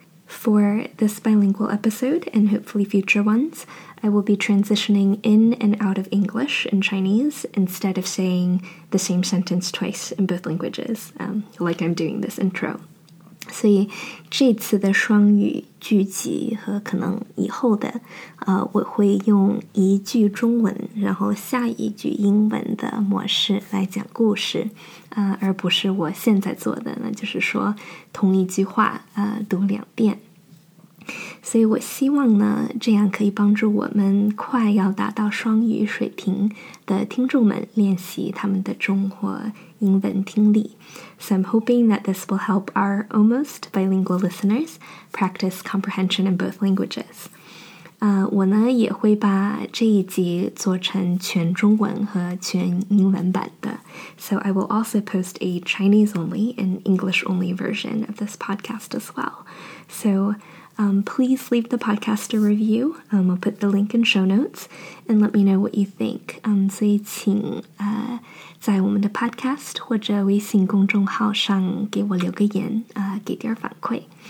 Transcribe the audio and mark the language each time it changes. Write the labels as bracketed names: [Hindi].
[English] For this bilingual episode and hopefully future ones, I will be transitioning in and out of English and Chinese instead of saying the same sentence twice in both languages, like I'm doing this intro. [Chinese] 所以这次的双语剧集和可能以后的我会用一句中文然后下一句英文的模式来讲故事而不是我现在做的那就是说同一句话读两遍。所以我希望呢这样可以帮助我们快要达到双语水平的听众们练习他们的中或英文听力。 [English] So I'm hoping that this will help our almost bilingual listeners practice comprehension in both languages. [Chinese] 我呢也会把这一集做成全中文和全英文版的。 [English] So I will also post a Chinese-only and English-only version of this podcast as well. So please leave the podcast a review. I'll put the link in show notes and let me know what you think. [Chinese] 所以请在我们的 podcast 或者微信公众号上给我留个言给点反馈。